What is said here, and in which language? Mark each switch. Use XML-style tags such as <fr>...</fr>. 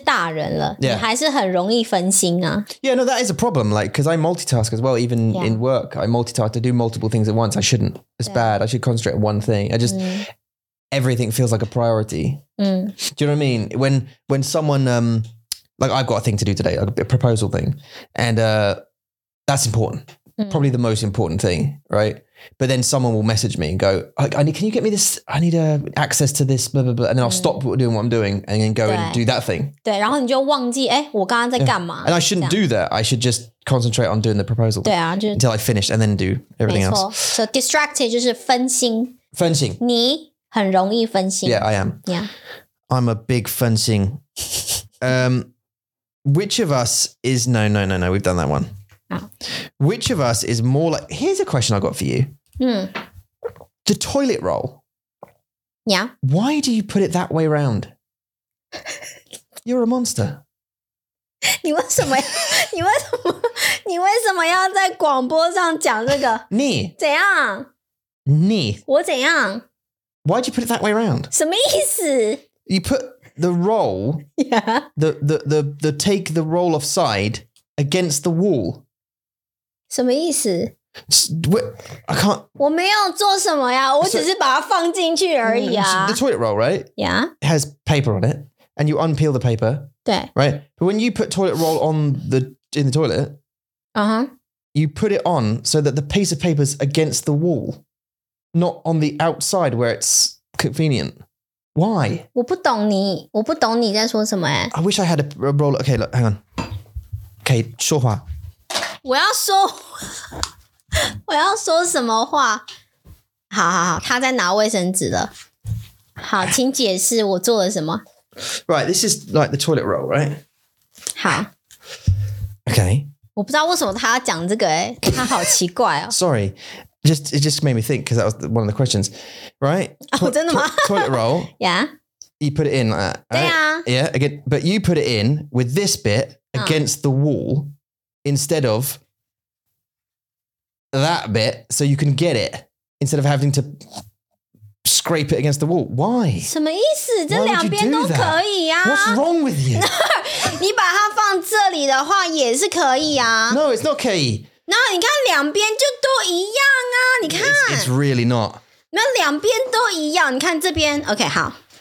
<zh>可是他们不一样,他们是小孩,你是大人了,你还是很容易分心啊。</zh> <en>Yeah, no, that is a problem, like, because I multitask as well, even in work, I multitask to do multiple things at once. I shouldn't, it's bad, I should concentrate on one thing. I just, everything feels like a priority. Do you know what I mean? When someone, like I've got a thing to do today, a proposal thing, and that's important, probably the most important thing, right? But then someone will message me and go, can you get me this? I need access to this, blah, blah, blah. And then I'll stop doing what I'm doing and then go and do that thing.</en> <zh>对,然后你就忘记,诶,我刚刚在干嘛?</zh> <en>And I shouldn't do that. I should just concentrate on doing the proposal.</en> <zh>对啊,</zh> <en>until I finish and then do everything</en> <zh>没错,</zh> <en>else. So distracted</en> <zh>就是分心. 分心. 你很容易分心.</zh> <en>Yeah, I am. Yeah. I'm a big 分心. Which of us is, no, we've done that one. Which of us is more like, here's a question I got for you. The toilet roll. Yeah. Why do you put it that way around? You're a monster.</en> <zh>你为什么要在广播上讲这个? 你怎样? 你我怎样?</zh> <en>Why do you put it that way around?</en> <zh>什么意思?</zh> <en>You put the roll, the take the roll offside against the wall.</en> <zh>什么意思?</zh> <en>I can't.</en> <zh>我没有做什么呀,我只是把它放进去而已啊.</zh> <en>The toilet roll, right? Yeah. It has paper on it, and you unpeel the paper.</en> <zh>对.</zh> <en>Right? But when you put toilet roll on the, in the toilet, you put it on so that the piece of paper's against the wall, not on the outside where it's convenient. Why?</en> <zh>我不懂你在说什么耶.</zh> <en>I wish I had a roll. Okay, look, hang on. Okay,</en> <zh>说话. 我要说什么话。好,他在拿卫生纸了。好,请解释我做了什么。</zh> <en>Right, this is like the toilet roll, right?</en> <zh>好。Okay. 我不知道为什么他要讲这个耶,他好奇怪哦。</zh> <en>Sorry, it just made me think, because that was one of the questions, right?</en> <zh>Oh, 真的吗?</zh> <en>Toilet roll. Yeah. You put it in like that. Right?</en> <zh>对啊.</zh> <en>Yeah, again, but you put it in with this bit against the wall instead of that bit so you can get it instead of having to scrape it against the wall. Why?</en> <zh>什么意思?这两边都可以啊.</zh> <en>What's wrong with you?</en> <zh>你把它放这里的话也是可以啊.</zh> <en>No, it's not 可以.</en> <zh>No, 你看两边就都一样啊, 你看.</zh> <en>It's really not.</en> <zh>那两边都一样, 你看这边, OK, 好。</zh>